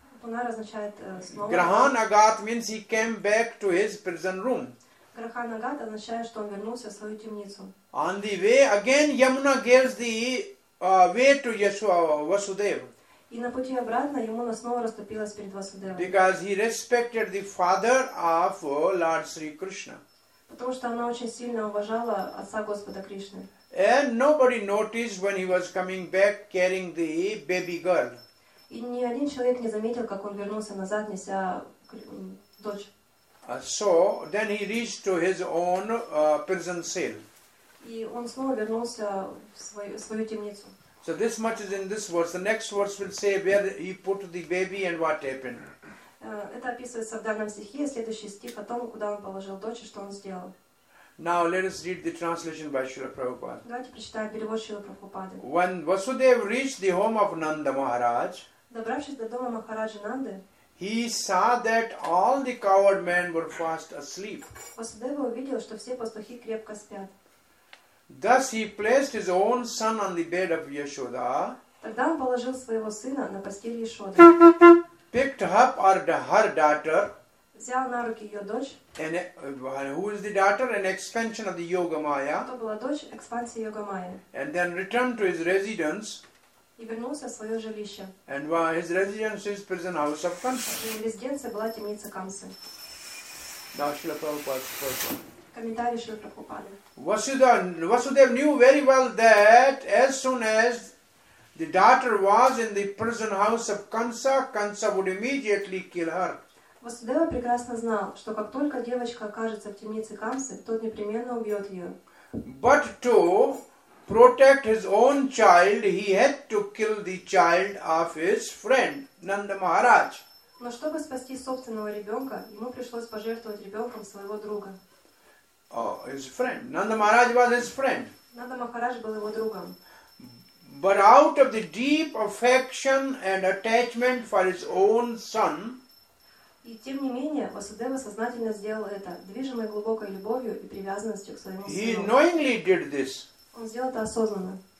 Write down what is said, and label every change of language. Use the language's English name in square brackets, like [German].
[Russian] Punar означает снова. [Sanskrit] Grahan agat [English] means he came back to his prison room. [Sanskrit] Grahan agat [Russian] означает, что он вернулся в свою темницу. [English] On the way again, Yamuna gives the way to Yashoda Vasudev. [Russian] И на пути обратно Ямуна снова расступилась перед Васудевой. [English] Because he respected the father of Lord Sri Krishna. [Russian] Потому что она очень сильно уважала отца Господа Кришны. [English] And nobody noticed when he was coming back carrying the baby girl. [Russian] И ни один человек не заметил, как он вернулся назад, неся дочь. [English] So then he reached to his own prison cell. [Russian] И он снова вернулся в свою темницу. [English] So this much is in this verse. The next verse will say where he put the baby and what happened. [Russian] Это описывается в данном стихе. Следующий стих о том, куда он положил дочь и что он сделал. [English] Now let us read the translation by Srila Prabhupada. [Russian] Давайте прочитаем перевод Шрилы Прабхупады. [English] When Vasudev reached the home of Nanda Maharaj, [Russian] добравшись до дома Махараджи Нанды, [English] he saw that all the coward men were fast asleep. [Russian] Vasudev увидел, что все пастухи крепко спят. [English] Thus he placed his own son on the bed of Yashoda. [Russian] Тогда он положил своего сына на постель Яшоды. [English] Picked up her daughter. [Russian] Взял на руки ее дочь. [English] And who is the daughter? An expansion of the Yoga Maya. [Russian] Кто была дочь? Экспансия Йога Майя. [English] And then returned to his residence. [Russian] И вернулся в свое жилище. [English] And his residence is prison house of Kamsa. [Russian] И резиденция была темница Камсы. [English] Now Srila Prabhupada's question. Vasudev knew very well that as soon as the daughter was in the prison house of Kansa, Kansa would immediately kill her. [Russian] Vasudeva прекрасно знал, что как только девочка окажется в темнице Камсы, тот непременно убьет ее. [English] But to protect his own child, he had to kill the child of his friend, Nanda Maharaj. [Russian] Но чтобы спасти собственного ребенка, ему пришлось пожертвовать ребенком своего друга. [English] His friend. Nanda Maharaj was his friend. [Russian] Nanda Maharaj был его другом. [English] But out of the deep affection and attachment for his own son, [Russian] и тем не менее, Васудева сознательно сделал это, движимый глубокой любовью и привязанностью к своему сыну. [English] He knowingly did this. [Russian] Он сделал это осознанно.